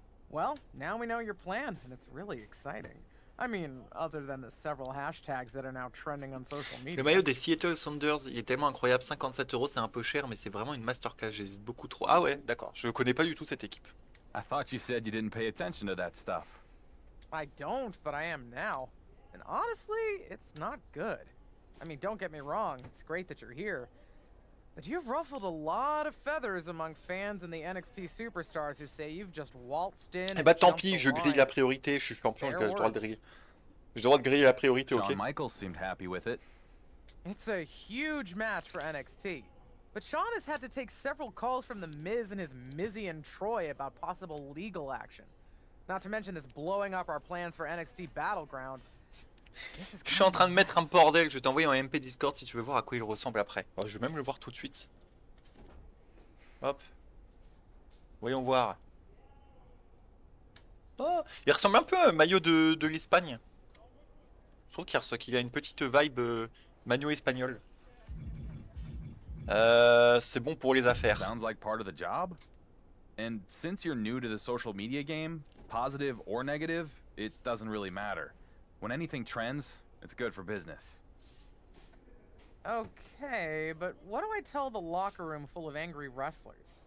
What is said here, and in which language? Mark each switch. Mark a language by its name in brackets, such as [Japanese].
[English] Well, now we know your plan, and it's really exciting. I mean, other than the several hashtags that are now trending on social media. [French] Le maillot des Seattle Sounders, il est tellement incroyable. 57 euros, c'est un peu cher, mais c'est vraiment une masterclass. J'hésite beaucoup trop. Ah ouais, d'accord. Je connais pas du tout cette équipe. [English] I thought you said you didn't pay attention to that stuff. I don't, but I am now. And honestly, it's not good. I mean, don't get me wrong, it's great that you're here. But you've ruffled a lot of feathers among fans and the NXT superstars who say you've just waltzed in. [French] Eh bah tant pis, je grille la priorité, je suis champion, j'ai le droit de griller. J'ai le droit de griller la priorité, ok. [English] Shawn Michaels seemed happy with it. It's a huge match for NXT. But Shawn has had to take several calls from The Miz and his Mizzy and Troy about possible legal action. Not to mention this blowing up our plans for NXT Battleground. [French] Je suis en train de mettre un bordel, je vais t'envoyer en MP Discord si tu veux voir à quoi il ressemble après. Oh, je vais même le voir tout de suite. Hop. Voyons voir. Oh, il ressemble un peu à un maillot de l'Espagne. Je trouve qu'il a une petite vibe maillot espagnol. C'est bon pour les affaires. [English] Sounds like part of the job. And since you're new to the social media game, positive or negative, it doesn't really matter. When anything trends, it's good for business. Okay, but what do I tell the locker room full of angry wrestlers?